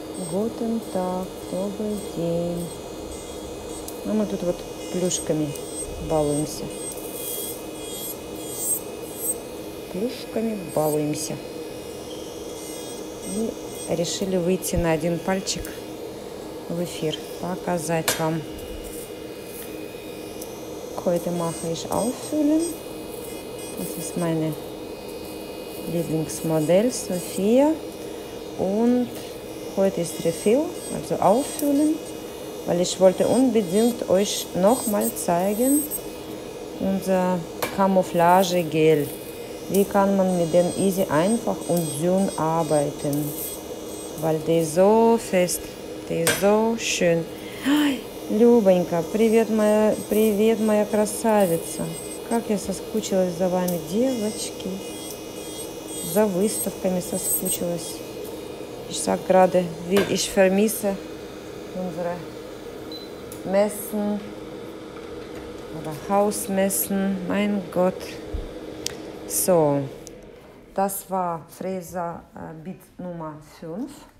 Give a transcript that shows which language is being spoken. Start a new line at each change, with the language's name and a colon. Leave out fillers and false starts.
German: Guten Tag,
Russian: добрый день. Ну, мы тут вот плюшками балуемся. Плюшками балуемся. И решили выйти на один пальчик в эфир. Показать вам.
German: Heute mache ich auffüllen. Das ist meine Lieblingsmodell, Sophia. Und heute ist Refill, also auffüllen. Weil ich wollte unbedingt euch nochmal zeigen, unser Camouflage-Gel. Wie kann man mit dem easy, einfach und dünn arbeiten? Weil der ist so fest, der ist so schön.
Russian: Любонька, привет, моя красавица. Как я соскучилась за вами, девочки. За выставками соскучилась.
German: Ich sag gerade, wie ich vermisse unsere Messen oder Hausmessen. Mein Gott. So, das war Fräser Bit Nummer 5.